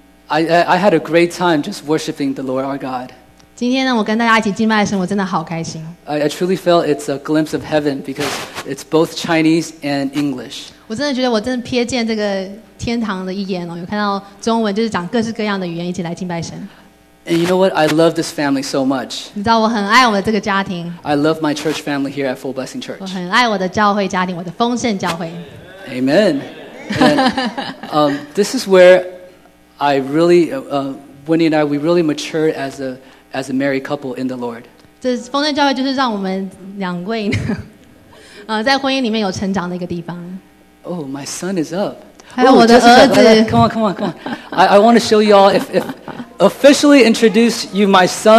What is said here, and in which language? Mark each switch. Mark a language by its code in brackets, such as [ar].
[en] I had a great time just worshiping the Lord our God. [zh] 今天呢, 我跟大家一起敬拜神, 我真的好开心。 [en] I truly felt it's a glimpse of heaven because it's both Chinese and English. [zh] 我真的觉得我真的瞥见这个天堂的一眼哦, 有看到中文就是讲各式各样的语言一起来敬拜神。 [en] And you know what? I love this family so much. [zh] 你知道我很爱我的这个家庭。 [en] I love my church family here at Full Blessing Church. [zh] 我很爱我的教会家庭, 我的丰盛教会。 [en] Amen. And, this is where I really, Winnie and I, we really matured as a married couple in the Lord. [zh] 这丰盛教会就是让我们两位在婚姻里面有成长的一个地方。 [en] Oh, my son is up. [zh] 还有我的儿子。 [en] Come on. I want to show you all if officially introduce you my son.